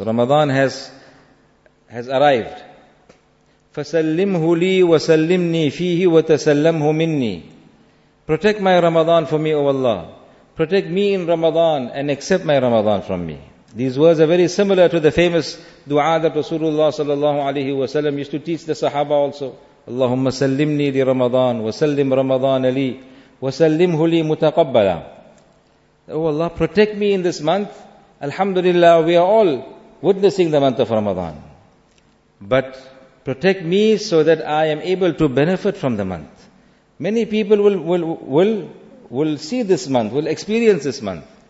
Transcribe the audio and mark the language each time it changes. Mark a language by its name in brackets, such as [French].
[English] Ramadan has arrived. [Arabic] فَسَلِّمْهُ لِي وَسَلِّمْنِي فِيهِ وَتَسَلَّمْهُ مِنِّي. [English] Protect my Ramadan for me, O Allah. Protect me in Ramadan and accept my Ramadan from me. These words are very similar to the famous dua that Rasulullah sallallahu alayhi wa sallam used to teach the Sahaba also. [Arabic] اللهم سلمني لرمضان وسلم رمضان لي وسلمه لي متقبلا. [English] O Allah, protect me in this month. Alhamdulillah, we are all witnessing the month of Ramadan. But protect me so that I am able to benefit from the month. Many people will see this month, will experience this month.